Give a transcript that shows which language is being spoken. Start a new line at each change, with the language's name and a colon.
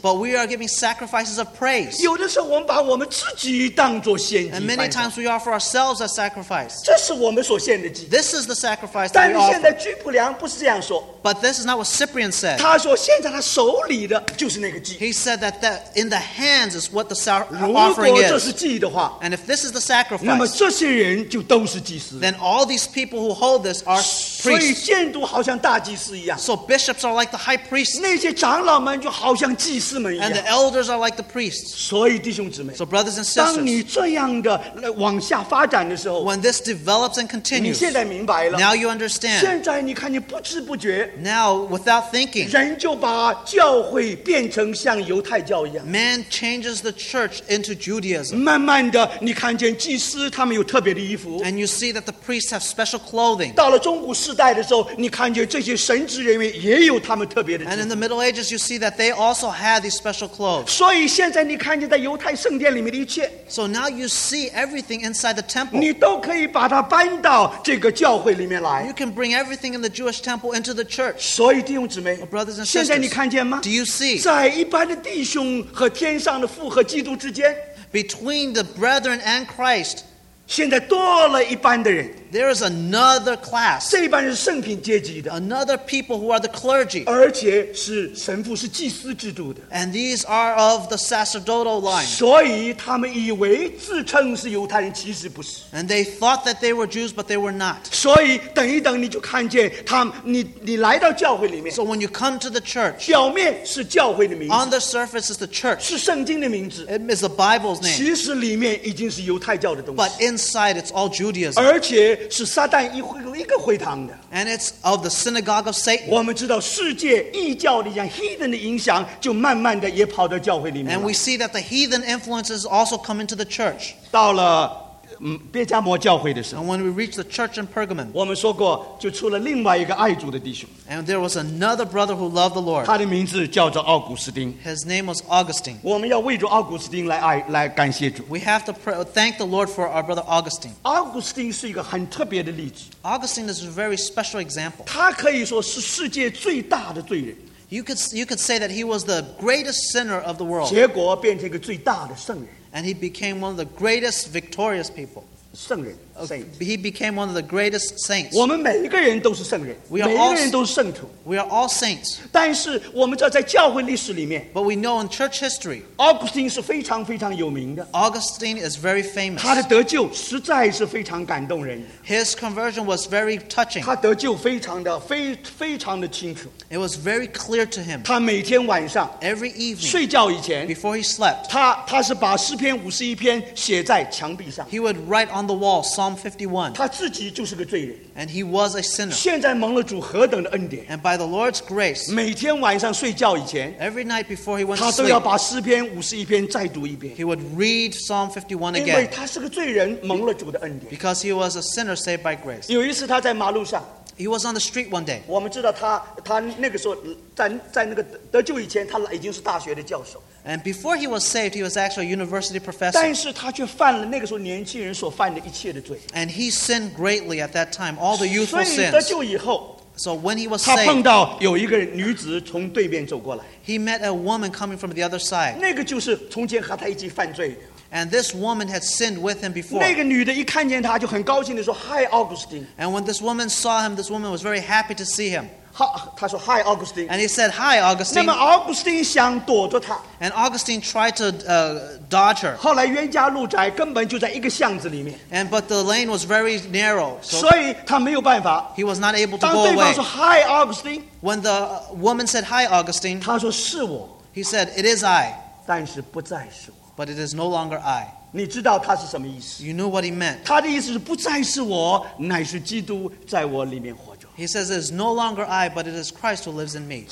English: But we are giving sacrifices of praise.
Chinese: 有的时候我们把我们自己当作献祭。
English: And many times we offer ourselves as sacrifice.
Chinese: 这是我们所献的祭。
English: This is the sacrifice that we offer.
Chinese: 但是现在居普良不是这样说。
English: But this is not what Cyprian said.
Chinese: 他说现在他手里的就是那个祭。
English: He said that in the hands is what the offering is.
Chinese: 如果这是祭的话
English: ，and if this is the sacrifice,
Chinese: 那么这些人就都是祭司。
English: Then all these people who hold this are priests.
Chinese: 所以监督好像大祭司一样。
English: So bishops are like the high priests.
Chinese: 那些长老们就好像祭司们一样。
English: And the elders are like the priests.
Chinese: 所以弟兄姊妹
English: ，so brothers and sisters,
Chinese: 当你这样的往下发展的时候
English: ，when this develops and continues,
Chinese: 你现在明白了。
English: Now you understand.
Chinese: 现在你看你不知不觉。
English: Now, without thinking,
Chinese: 人就把教会变成像犹太教一样。
English: Man changes the church into Judaism.
Chinese: 慢慢的，你看见祭司他们有特别的衣服。
English: And you see that the priests have special clothing.
Chinese: 到了中古时代的时候，你看见这些神职人员也有他们特别的。
English: And in the Middle Ages, you see that they also had these special clothes.
Chinese: 所以现在你看见在犹太圣殿里面的一切。
English: So now you see everything inside the temple.
Chinese: 你都可以把它搬到这个教会里面来。
English: You can bring everything in the Jewish temple into the church.
Chinese: 所以弟兄姊妹
English: ，brothers and sisters，
Chinese: 现在你看见吗
English: ？Do you see？
Chinese: 在一般的弟兄和天上的父和基督之间
English: ，between the brethren and Christ。
Chinese: 现在多了一班的人
English: There is another class
Chinese: 这一班是圣品阶级的
English: Another people who are the clergy
Chinese: 而且是神父是祭司制度的
English: And these are of the sacerdotal line
Chinese: 所以他们以为自称是犹太人其实不是
English: And they thought that they were Jews but they were not
Chinese: 所以等一等你就看见他们 你来到教会里面
English: So when you come to the church
Chinese: 表面是教会的名字
English: On the surface is the church
Chinese: 是圣经的名字
English: It is the Bible's name
Chinese: 其实里面已经是犹太教的东西
English: But inside it's all Judaism
Chinese: 而且是撒旦一个会堂的
English: and it's of the synagogue of Satan
Chinese: 我们知道世界异教的像 heathen 的影响就慢慢的也跑到教会里面
English: and we see that the heathen influences also come into the church
Chinese: 到了别加摩教会的时候
English: and when we reach the church in Pergamon
Chinese: 我们说过就出了另外一个爱主的弟兄
English: and there was another brother who loved the Lord
Chinese: 他的名字叫做奥古斯丁
English: his name was Augustine
Chinese: 我们要为主奥古斯丁来感谢主
English: we have to thank the Lord for our brother Augustine
Chinese: 奥古斯丁是一个很特别的例子
English: Augustine is a very special example
Chinese: 他可以说是世界最大的罪人
English: You could say that he was the greatest sinner of the world.
Chinese: 结果变成一个最大的圣人。
English: And he became one of the greatest victorious people.
Chinese: 圣人 saint.
English: He became one of the greatest saints.
Chinese: 我们每一个人都是圣人。
English: We are all
Chinese: 每一个人都是圣徒。
English: We are all saints.
Chinese: 但是我们知道在教会历史里面。
English: But we know in church history.
Chinese: Augustine 是非常非常有名的。
English: Augustine is very famous.
Chinese: 他的得救实在是非常感动人。
English: His conversion was very touching.
Chinese: 他得救非常的非非常的清楚。
English: It was very clear to him.
Chinese: 他每天晚上
English: every evening
Chinese: 睡觉以前
English: before he slept.
Chinese: 他是把诗篇五十一篇写在墙壁上。
English: He would write on the wall Psalm 51.
Chinese: 他自己就是个罪人。
English: And he was a sinner.
Chinese: 现在蒙了主何等的恩典。
English: And by the Lord's grace.
Chinese: 每天晚上睡觉以前
English: every night before he went to sleep.
Chinese: 他都要把诗篇五十一篇再读一遍。
English: He would read Psalm 51 again.
Chinese: 因为他是个罪人，蒙了主的恩典。
English: Because he was a sinner. Saved by grace.
Chinese: 有一次他在马路上
English: He was on the street one day.
Chinese: 我们知道他那个时候在那个得救以前，他已经是大学的教授。
English: And before he was saved, he was actually a university professor.
Chinese: 但是他却犯了那个时候年轻人所犯的一切的罪。
English: And he sinned greatly at that time, all the youthful sins.
Chinese: 所以得救以后。
English: So when he was
Chinese: saved, 他碰到有一个女子从对面走过来。
English: He met a woman coming from the other side.
Chinese: 那个就是从前和他一起犯罪的。
English: And this woman had sinned with him before.
Chinese: 那个女的一看见他就很高兴地说
English: Hi, Augustine. And when this woman saw him, this woman was very happy to see him.
Chinese: 她说
English: Hi, Augustine. And he said, Hi, Augustine.
Chinese: 那么 Augustine 想躲着她。
English: And Augustine tried to dodge her.
Chinese: 后来冤家路窄根本就在一个巷子里面。
English: And but the lane was very narrow. So
Chinese: 所以她没有办法。
English: He was not able to go away.
Chinese: 当对方说
English: Hi, Augustine. When the woman said, Hi, Augustine.
Chinese: 她说是我。
English: He said, it is I.
Chinese: 但是不再是我。
English: But it is no longer I.
Chinese: 你知道他是什么意思？
English: You knew what he meant.
Chinese: 他的意思是不再是我，乃是基督在我里面活着。
English: He says it is no longer I, but it is Christ who lives in me.